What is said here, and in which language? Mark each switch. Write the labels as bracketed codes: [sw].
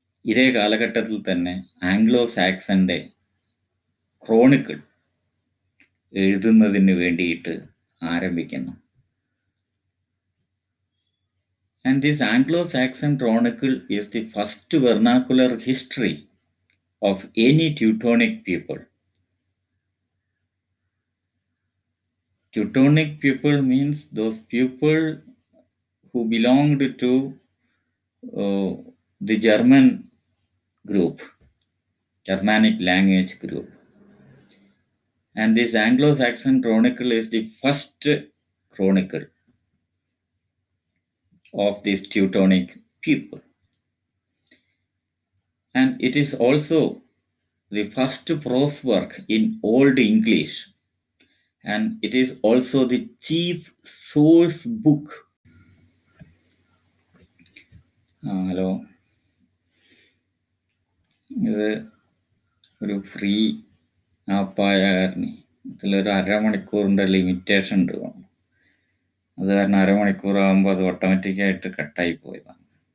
[ml] ഇതേ കാലഘട്ടത്തിൽ തന്നെ ആംഗ്ലോ സാക്സന്റെ ക്രോണിക്കിൾ എഴുതുന്നതിന് വേണ്ടിയിട്ട് ആരംഭിക്കുന്നു. [en] And this Anglo Saxon chronicle is the first vernacular history of any Teutonic people. Teutonic people means those people who belonged to the German group, Germanic language group. And this Anglo-Saxon chronicle is the first chronicle of this Teutonic people. And it is also the first prose work in Old English. And it is also the chief source book. [ml] Hello, ഇത് ഒരു free ആപ്പായ കാരണം ഇതിലൊരു അരമണിക്കൂറിൻ്റെ limitation ഉണ്ട്. അത് കാരണം അരമണിക്കൂറാകുമ്പോൾ അത് ഓട്ടോമാറ്റിക്കായിട്ട് കട്ടായി പോയതാണ്.